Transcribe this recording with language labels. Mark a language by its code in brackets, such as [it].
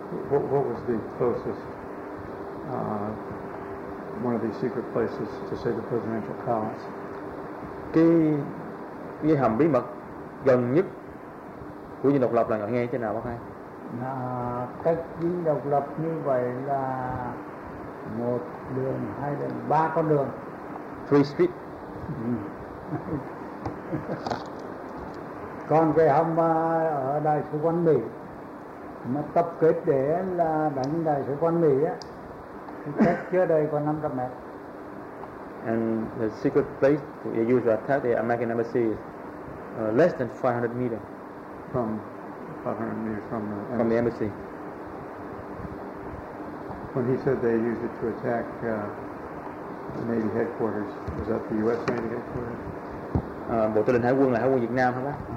[en] What was the closest one of these secret places to say the presidential palace? [vi] Cái hầm bí mật gần nhất của Dinh Độc Lập là ngay trên nào bác hai? Cách Dinh Độc Lập như vậy là một đường, hai đường, ba con đường. [en] Three street. [vi] Còn cái hầm ở Đại sứ quán Mỹ mà tập kết để là đánh Đại sứ quán Mỹ á, cách chưa đây còn 500 mét. [en] And the secret place we use to attack the American embassy is less than 500 meters. From 500 meters from the embassy. When he said they used it to attack the Navy headquarters, was that the U.S. Navy headquarters? [vi] Bộ Tư lệnh Hải quân là Hải quân Việt Nam hả bác?